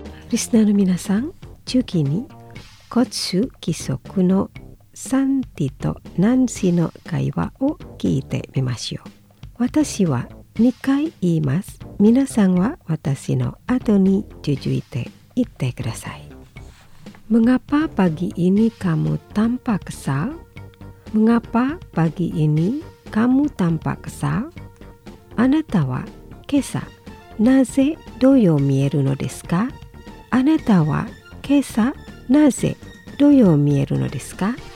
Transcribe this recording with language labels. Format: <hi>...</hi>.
<ja>リスナーの皆さん、次に交通規則のサンティとナンシーの会話を聞いてみましょう。私は2回言います。皆さんは私の後に続いて言ってください。</ja> <id>Mengapa pagi ini kamu tampak kesal? Mengapa pagi ini kamu tampak kesal?</id> <ja>あなたは今朝なぜ土曜見えるのですか？あなたは今朝なぜ土曜見えるのですか？</ja>